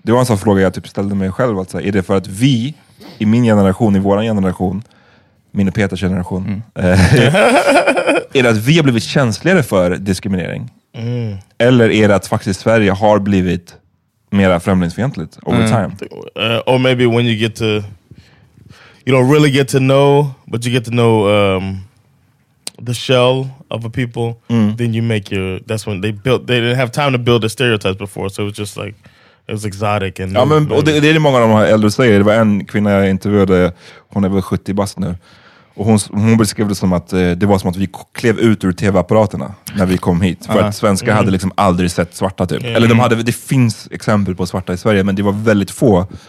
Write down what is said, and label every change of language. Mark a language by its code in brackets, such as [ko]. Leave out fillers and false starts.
[sv] Det var en sån fråga jag typ ställde mig själv. Alltså, är det för att vi, i min generation, i våran generation, min och Peters generation, är det att vi har blivit känsligare för diskriminering? Mm. Eller är det att faktiskt Sverige har blivit mera främlingsfientligt [en] over time? Or maybe when you get to... you don't really get to know, but you get to know the shell of a people. Then you make your, that's when they built, they didn't have time to build the stereotypes before, so it was just like, it was exotic. And [sv] ja, men, och det är det många av de här äldre säger. Det var en kvinna jag intervjuade, hon är väl 70 bast nu. Och hon beskrev det som att det var som att vi klev ut ur tv-apparaterna när vi kom hit. För att svenskar hade liksom aldrig sett svarta typ. Eller de hade, det finns exempel på svarta i Sverige, men det var väldigt få.